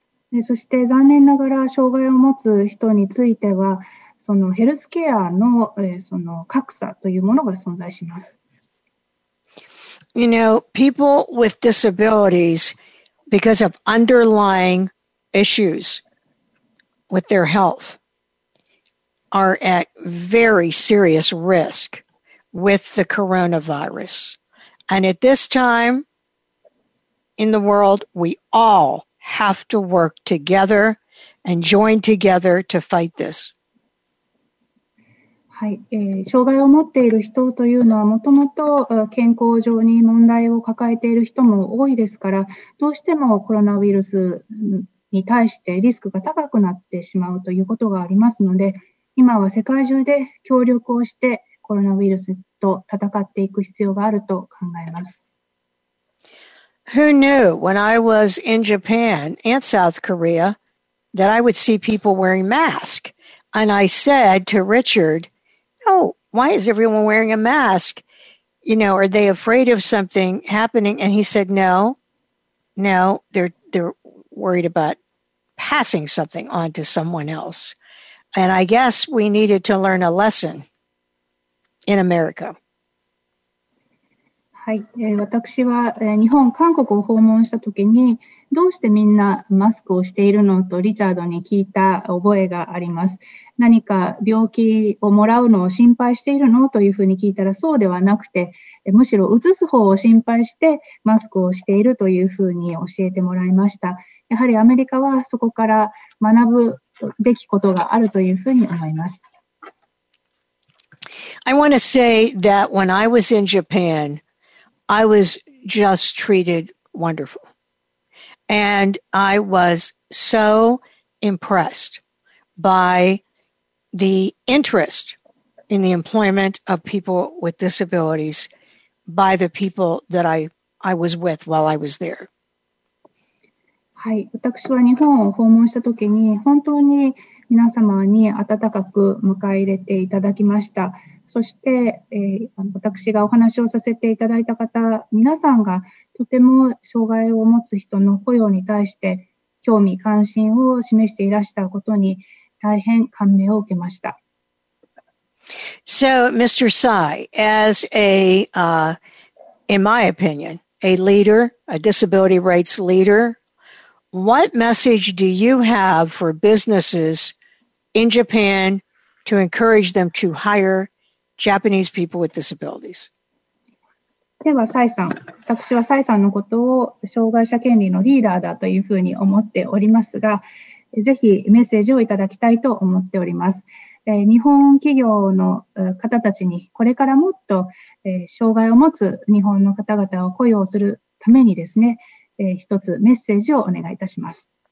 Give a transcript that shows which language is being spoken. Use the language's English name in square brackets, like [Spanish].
[Japanese] で、そして残念ながら障害を持つ人については、そのヘルスケアの、その格差というものが存在します。 [English] You know, people with disabilities, because of underlying issues with their health, are at very serious risk with the coronavirus. And at this time in the world, we all have to work together and join together to fight this. [Japanese] はい、障害を持っている人というのはもともと健康上に問題を抱えている人も多いですから、どうしてもコロナウイルスに対してリスクが高くなってしまうということがありますので、今は世界中で協力をしてコロナウイルスと戦っていく必要があると考えます。 [English] Who knew when I was in Japan and South Korea that I would see people wearing masks? And I said to RichardOh, why is everyone wearing a mask? You know, are they afraid of something happening? And he said, no, they're worried about passing something on to someone else. And I guess we needed to learn a lesson in America. [Japanese] はい、私は日本、韓国を訪問したときに、どうしてみんなマスクをしているのとリチャードに聞いた覚えがあります。何か病気をもらうのを心配しているのというふうに聞いたら、そうではなくて、むしろ移す方を心配してマスクをしているというふうに教えてもらいました。やはりアメリカはそこから学ぶべきことがあるというふうに思います。 [English] I want to say that when I was in Japan,I was just treated wonderful. And I was so impressed by the interest in the employment of people with disabilities by the people that I was with while I was there. [Japanese] はい、私は日本を訪問した時に本当に皆様に温かく迎え入れていただきました。そして、私がお話をさせていただいた方、皆さんがとても障害を持つ人の雇用に対して興味関心を示していらしたことに大変感銘を受けました。 [English] So, Mr. Sai, as a, in my opinion, a leader, a disability rights leader, what message do you have for businesses in Japan to encourage them to hire Japanese people with disabilities? [Japanese] では、サイさん。私はサイさんのことを障害者権利のリーダーだというふうに思っておりますが、ぜひメッセージをいただきたいと思っております。日本企業の方たちにこれからもっと障害を持つ日本の方々を雇用するためにですね、一つメッセージをお願いいたします。